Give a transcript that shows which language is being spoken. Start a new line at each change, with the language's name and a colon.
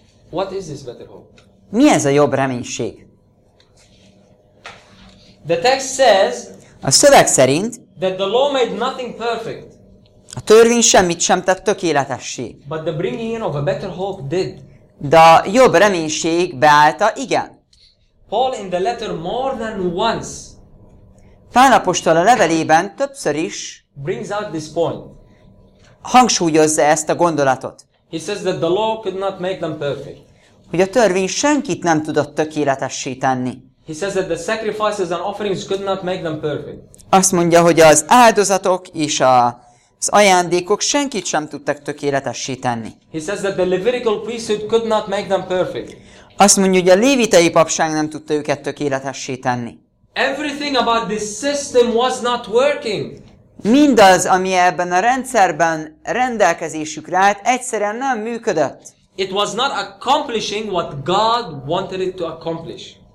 English: What is this better hope?
Hungarian: Mi ez a jobb reménység?
English: The text says,
Hungarian: a szöveg szerint,
English: that the law made nothing perfect.
Hungarian: A törvény semmit sem tett tökéletessé.
English: But the bringing in of a better hope did.
Hungarian: De a jobb reménység beállta, igen.
English: Paul in the letter more than once.
Hungarian: Pál apostol a levelében többször is
English: brings out this point.
Hungarian: Hangsúlyozza ezt a gondolatot.
English: He says that the law could not make them perfect.
Hungarian: Hogy a törvény senkit nem tudott tökéletessé tenni.
English: He says that the sacrifices and offerings could not make them perfect.
Hungarian: Azt mondja, hogy az áldozatok és az ajándékok senkit sem tudtak tökéletessé tenni.
English: He says that the Levitical priesthood could not make them perfect.
Hungarian: Azt mondja, hogy a lévitai papság nem tudta őket tökéletessé tenni.
English: Everything about this system was not working.
Hungarian: Mindaz, ami ebben a rendszerben rendelkezésükre állt, egyszerűen nem működött.
English: It was not accomplishing what God wanted it to accomplish.